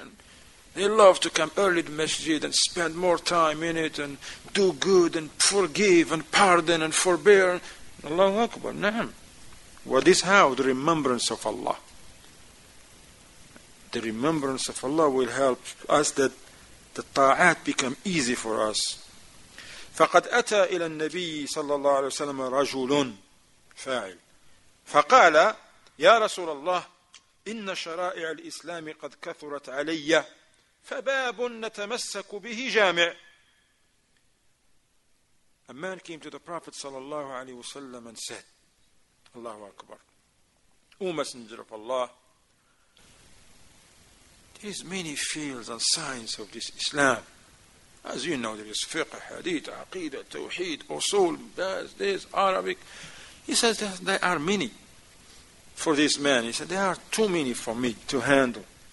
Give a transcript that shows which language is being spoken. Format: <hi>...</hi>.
<en>And they love to come early to masjid and spend more time in it and do good and forgive and pardon and forbear. Allahu Akbar, na'am. What is how? The remembrance of Allah. The remembrance of Allah will help us that the ta'at become easy for us.</en> <ar>فَقَدْ أَتَى إِلَى النَّبِيِّ صَلَّى اللَّهُ عَلَيْهِ وَسَلَّمَ رَجُلٌ فَاعِلٌ فَقَالَ يَا رَسُولَ اللَّهِ إِنَّ شَرَائِعَ الْإِسْلَامِ قَدْ كَثُرَتْ عَلَيَّ فَبَابٌ نَتَمَسَّكُ بِهِ جَامِعٌ.</ar> <en>A man came to the Prophet صلى الله عليه وسلم and said, Allahu Akbar. O Messenger of Allah, there is many fields and signs of this Islam. As you know, there is fiqh, hadith, aqidah, tawheed, usul, bas, this, Arabic. He says that there are many for this man. He said, there are too many for me to handle.</en>